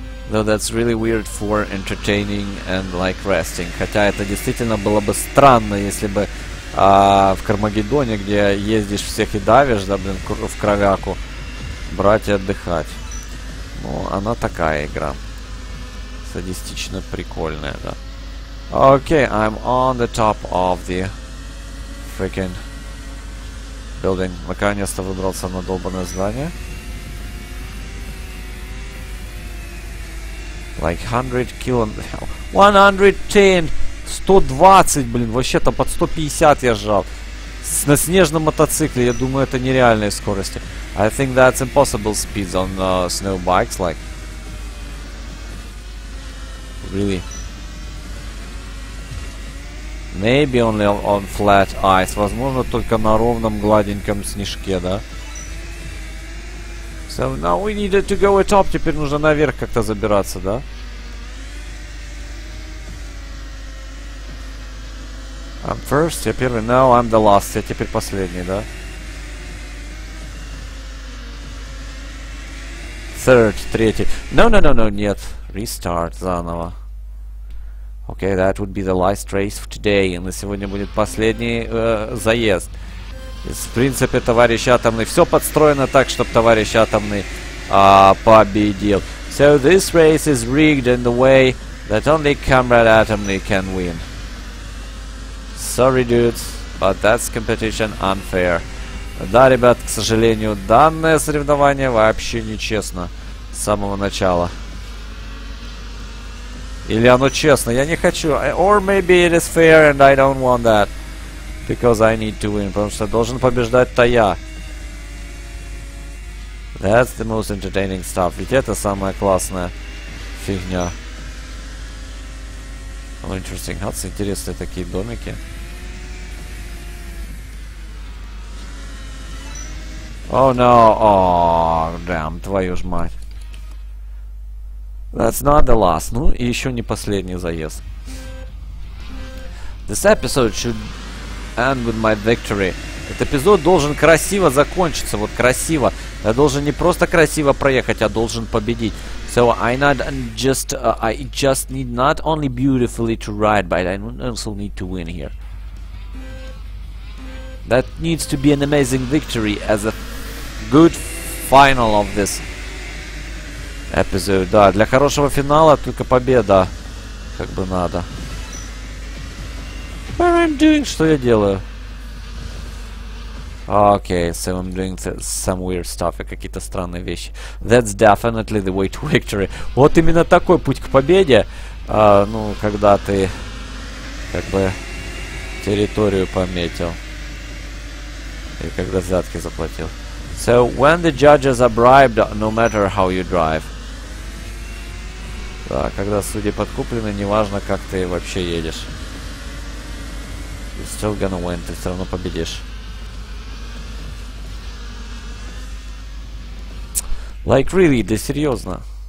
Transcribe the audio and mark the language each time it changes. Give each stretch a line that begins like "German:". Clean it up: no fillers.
English: Though that's really weird for entertaining and like resting.
Russian: Хотя это действительно было бы странно, если бы в Кармагеддоне, где ездишь всех и давишь, да, блин, в кровяку, брать и отдыхать. Ну, она такая игра. Садистично прикольная, да.
English: Okay, I'm on the top of the freaking building.
Russian: Наконец-то выбрался на долбанное здание.
English: Like 100 kilo...
Russian: 120, блин, вообще-то под 150 я сжал. На снежном мотоцикле, я думаю, это нереальные скорости.
English: I think that's impossible speeds on snow bikes, like... really. Maybe only on flat ice.
Russian: Возможно, только на ровном гладеньком снежке, да?
English: So now we needed to go atop.
Russian: Теперь нужно наверх как-то забираться, да?
English: I'm first,
Russian: я первый.
English: Now I'm the last,
Russian: я теперь последний, да?
English: Third,
Russian: третий.
English: No,
Russian: нет.
English: Restart
Russian: заново.
English: Okay, that would be the last race for today.
Russian: На сегодня будет последний заезд. В принципе, товарищ Атомный, все подстроено так, чтобы товарищ Атомный победил.
English: So this race is rigged in the way that only Comrade Atomный can win. Sorry, dudes, but that's competition unfair.
Russian: Да, ребят, к сожалению, данное соревнование вообще нечестно с самого начала. Или оно честно? Я не хочу.
English: Or maybe it is fair and I don't want that. Because I need to win.
Russian: Потому что должен побеждать-то я.
English: That's the most entertaining stuff.
Russian: Ведь это самая классная фигня.
English: Oh, interesting huts.
Russian: Интересные такие домики.
English: Oh no. Oh, damn.
Russian: Твою ж мать.
English: That's not the last.
Russian: Ну, и еще не последний заезд.
English: This episode should end with my victory.
Russian: Этот эпизод должен красиво закончиться. Вот красиво. Я должен не просто красиво проехать, а должен победить.
English: So I just need not only beautifully to ride, but I also need to win here. That needs to be an amazing victory as a good final of this эпизод,
Russian: да, для хорошего финала только победа, как бы надо.
English: What am I doing?
Russian: Что я делаю?
English: Okay, so I'm doing some weird stuff,
Russian: какие-то странные вещи.
English: That's definitely the way to victory.
Russian: Вот именно такой путь к победе, ну, когда ты, как бы, территорию пометил. И когда взятки заплатил.
English: So, when the judges are bribed, no matter how you drive.
Russian: Да, когда судьи подкуплены, неважно, как ты вообще едешь.
English: You're still gonna win,
Russian: ты все равно победишь.
English: Like, really,
Russian: да серьезно.